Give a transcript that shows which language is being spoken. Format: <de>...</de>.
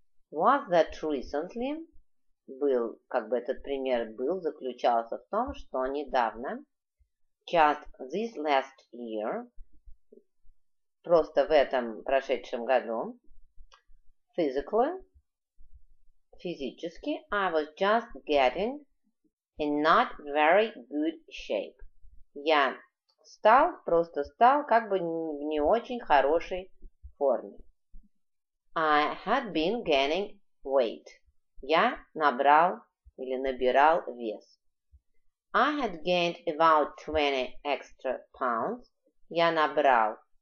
<en>Was that recently?</en> <ru>Был, как бы этот пример был, заключался в том, что недавно.</ru> <en>Just this last year.</en> <ru>Просто в этом прошедшем году.</ru> <en>Physically.</en> <ru>Физически.</ru> <en>I was just getting in not very good shape.</en> <ru>Я стал, просто стал, как бы в не очень хорошей форме.</ru> <en>I had been gaining weight.</en> <ru>Я набрал или набирал вес.</ru> <en>I had gained about 20 extra pounds.</en> <ru>Я набрал.</ru>